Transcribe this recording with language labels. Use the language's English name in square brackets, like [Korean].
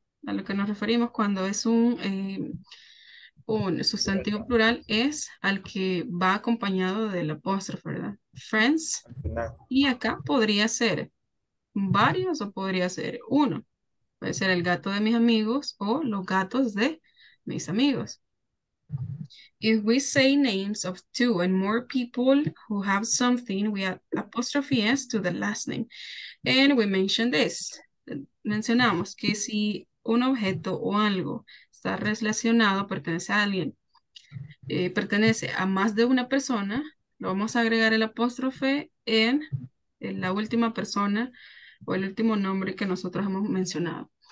[Spanish] A lo que nos referimos cuando es un sustantivo plural es al que va acompañado del apóstrofe, ¿verdad? Friends. Y acá podría ser varios o podría ser uno. Puede ser el gato de mis amigos o los gatos de mis amigos. [English] If we say names of two and more people who have something, we add apostrophe S to the last name. And we mention this. [Spanish] Mencionamos que si un objeto o algo está relacionado, pertenece a alguien, pertenece a más de una persona, lo vamos a agregar el apóstrofe en la última persona o el último nombre que nosotros hemos mencionado.